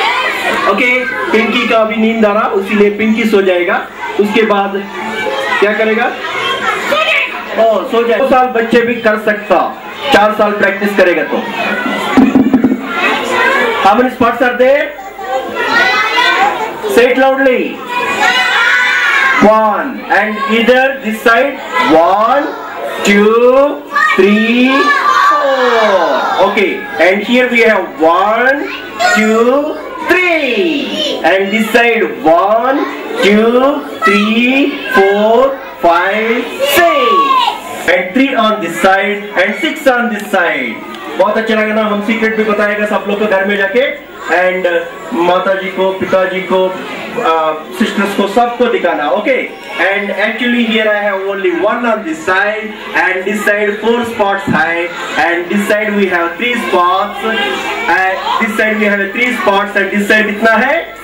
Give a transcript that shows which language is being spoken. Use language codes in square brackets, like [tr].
[hi] पिंकी का अभी नींद आ रहा, उसी ने पिंकी सो जाएगा, उसके बाद क्या करेगा? सो जाएगा। 2 साल बच्चे भी कर सकता, 4 साल प्रैक्टिस करेगा तो। [en] How many spots are there? Say it loudly. One and either this side. 1, 2, 3, 4. Okay. And here we have 1, 2, 3 and this side 1, 2, 3, 4, 5, 6 and 3 on this side and 6 on this side. [hi] बहुत अच्छा लगा ना, हम सीक्रेट भी बताएगा सब लोग को घर में जाके एंड माता जी को, पिता जी को, सिस्टर्स को, सबको दिखाना. [en] Okay and actually here I have only 1 on this side and this side 4 spots है and this side we have 3 spots and this side we have 3 spots and this side कितना है?